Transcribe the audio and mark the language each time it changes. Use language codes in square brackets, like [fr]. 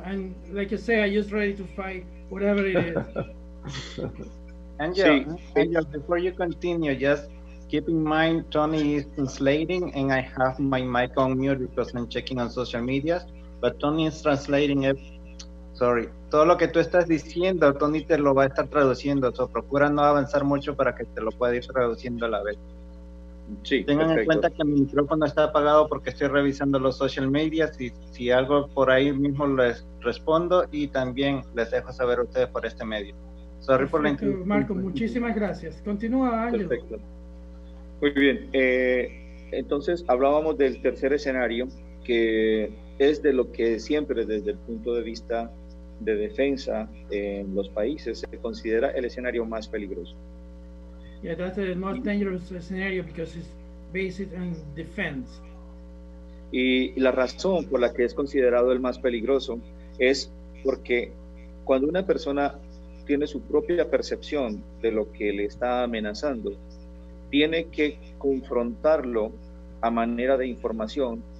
[en] And like you say, I'm just ready to fight whatever it is. Angel, before you continue, just keep in mind Tony is translating and I have my mic on mute because I'm checking on social media, but Tony is translating it. Sorry, [es] todo lo que tú estás diciendo, Tony te lo va a estar traduciendo, so procura no avanzar mucho para que te lo pueda ir traduciendo a la vez. Sí, tengan perfecto. En cuenta que mi micrófono está apagado porque estoy revisando los [en] social media, [es] si algo por ahí mismo les respondo y también les dejo saber a ustedes por este medio. [en] Sorry [es] perfecto, por la intro. Marco, muchísimas gracias. Continúa, Ángel. Perfecto. Muy bien. Entonces, hablábamos del tercer escenario, que es de lo que siempre desde el punto de vista de defensa en los países se considera el escenario más peligroso. [en] Yeah, that's the most dangerous scenario because it's based on defense. [es] Y la razón por la que es considerado el más peligroso es porque cuando una persona tiene su propia percepción de lo que le está amenazando, tiene que confrontarlo a manera de información